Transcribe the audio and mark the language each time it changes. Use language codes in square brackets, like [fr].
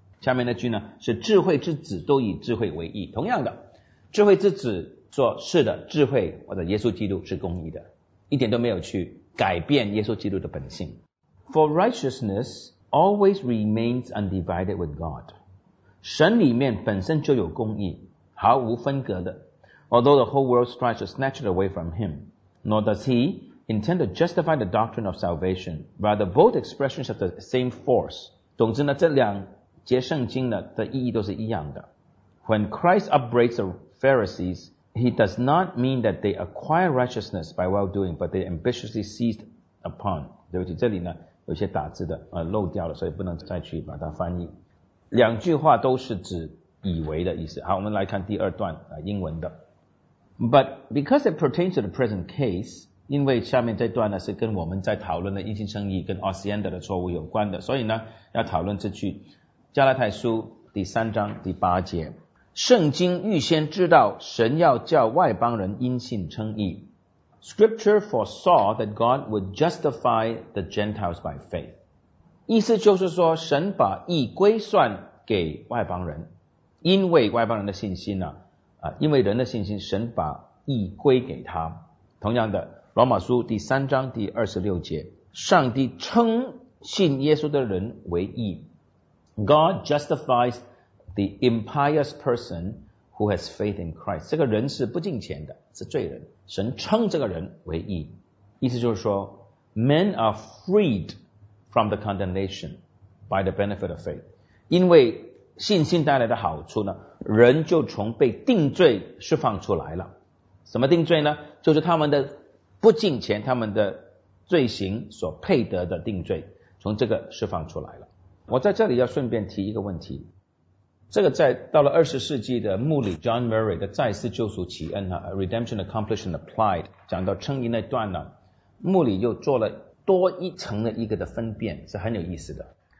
[zh] 下面那句呢，是智慧之子都以智慧为义。同样的，智慧之子说是的，智慧或者耶稣基督是公义的，一点都没有去改变耶稣基督的本性。 [en] For righteousness always remains undivided with God. [zh] 神里面本身就有公义，毫无分隔的。 [en] Although the whole world strives to snatch it away from him, nor does heIntend to justify the doctrine of salvation, rather both expressions have the same force. [zh] 总之呢，这两节圣经呢的意义都是一样的。 [en] When Christ upbraids the Pharisees, he does not mean that they acquire righteousness by well-doing, but they ambitiously seized upon. [zh] 对不起，这里呢有些打字的漏掉了，所以不能再去把它翻译。两句话都是指以为的意思。好，我们来看第二段英文的。 [en] But because it pertains to the present case, [zh] 因为下面这段呢是跟我们在讨论的因信称义跟 Ascenda 的错误有关的，所以呢要讨论这句加拉太书第3章第8节，圣经预先知道神要叫外邦人因信称义。 [en] Scripture foresaw that God would justify the Gentiles by faith. [zh] 意思就是说神把义归算给外邦人，因为外邦人的信心呢，因为人的信心，神把义归给他。同样的，罗马书第3章第26节，上帝称信耶稣的人为义。 [en] God justifies the impious person who has faith in Christ. [zh] 这个人是不敬虔的，是罪人，神称这个人为义。意思就是说 [en] Men are freed from the condemnation by the benefit of faith. [zh] 因为信心带来的好处呢，人就从被定罪释放出来了。什么定罪呢？就是他们的不敬虔，他们的罪行所配得的定罪，从这个释放出来了。我在这里要顺便提一个问题，这个在到了20世纪的牧理 John Murray 的再次救赎启恩 Redemption Accomplished and Applied 讲到称义那段呢，牧理又做了多一层的一个的分辨，是很有意思的。